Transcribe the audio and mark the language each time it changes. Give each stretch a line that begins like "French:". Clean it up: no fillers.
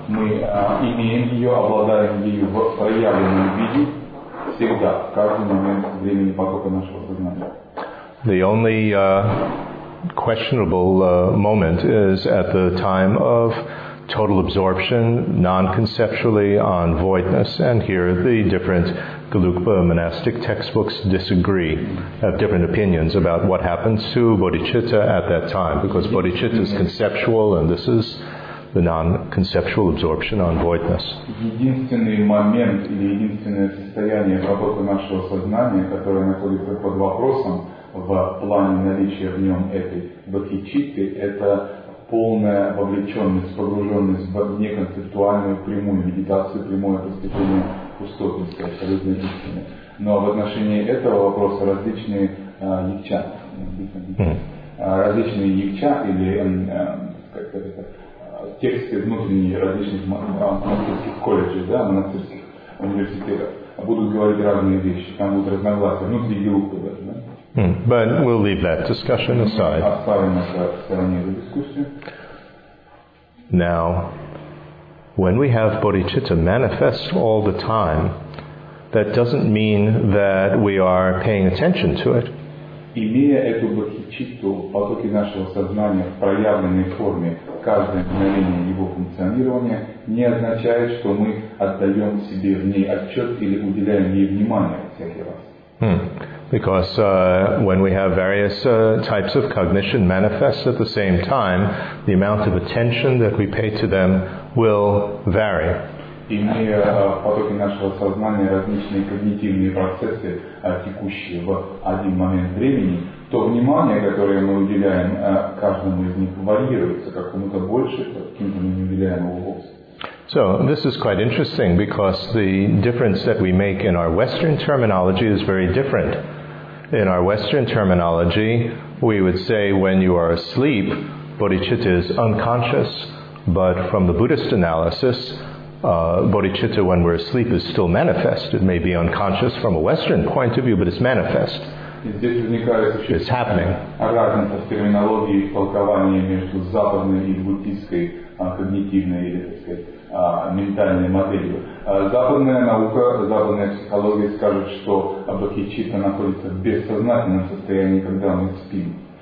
Russian: Мы имеем ее, обладаем ею в проявленном виде всегда, в каждый момент времени потока нашего сознания.
English: The only questionable moment is at the time of total absorption, non-conceptually on voidness, and here the different Galukpa monastic textbooks disagree, have different opinions about what happens to bodhicitta at that time, because bodhicitta is conceptual, and this is the non-conceptual absorption on voidness.
Russian: Единственный момент или единственное состояние работы нашего сознания, которое находится под вопросом в плане наличия в нем этой бодхичитты, это полная вовлеченность, погруженность в неконцептуальную прямую медитацию, прямое постепенное пустотность, абсолютно истинное. Но в отношении этого вопроса различные якча, различные якча или как это, тексты внутренние различных монастырских колледжей, да, монастырских университетов, будут говорить разные вещи, там будут разногласия, внутри группы даже, да.
English: But we'll leave that discussion aside. Now, when we have bodhicitta manifest all the time, that doesn't mean that we are paying attention to it.
Russian: имея эту бодхичитту, потоки нашего сознания в проявленной форме, каждое мгновение его функционирования, не означает, что мы отдаем себе в ней отчет или уделяем ей внимание всякий раз.
English: Because when we have various types of cognition manifest at the same time, the amount of attention that we pay to them will vary.
Russian: Имея потоки нашего сознания различные когнитивные процессы, текущие в один момент времени, то внимание, которое мы уделяем каждому из них, варьируется, как кому-то больше, каким-то мы не уделяем его вовсе.
English: So this is quite interesting because the difference that we make in our Western terminology is very different. In our Western terminology, we would say when you are asleep, bodhicitta is unconscious, but from the Buddhist analysis, bodhicitta when we're asleep is still manifest. It may be unconscious from a Western point of view, but it's manifest. It's happening.
Russian: Разница в терминологии толкования между западной и буддийской когнитивной или, так сказать, ментальной моделью. Западная наука, западная психология скажет, что бодхичитта находится в бессознательном состоянии, когда мы спим.